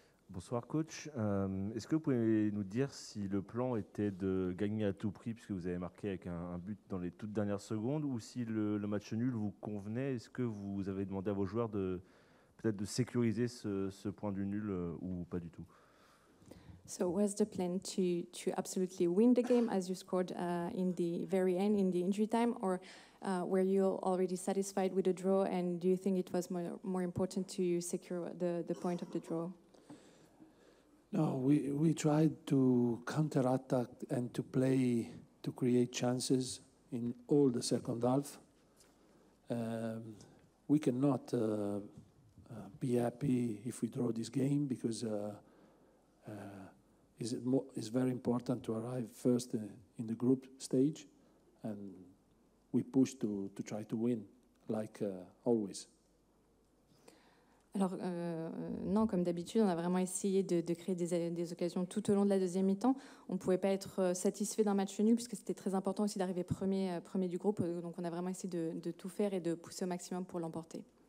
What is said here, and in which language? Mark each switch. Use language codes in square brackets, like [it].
[fr] Bonsoir, coach. Est-ce que vous pouvez nous dire si le plan était de gagner à tout prix, puisque vous avez marqué avec un but dans les toutes dernières secondes, ou si le match nul vous convenait? Est-ce que vous avez demandé à vos joueurs de peut-être de sécuriser ce point du nul ou pas du tout? [en] So was the plan to absolutely win the game as you scored in the very end, in the injury time, or were you already satisfied with the draw and do you think it was more important to secure the point of the draw? No, we tried to counter-attack and to play, to create chances in all the second half. We cannot be happy if we draw this game because it's very important to arrive first in the group stage, and we push to try to win, like always. [fr] Alors, non, comme d'habitude, on a vraiment essayé de créer des occasions tout au long de la deuxième mi-temps. On ne pouvait pas être satisfait d'un match nul, puisque c'était très important aussi d'arriver premier du groupe. Donc, on a vraiment essayé de tout faire et de pousser au maximum pour l'emporter.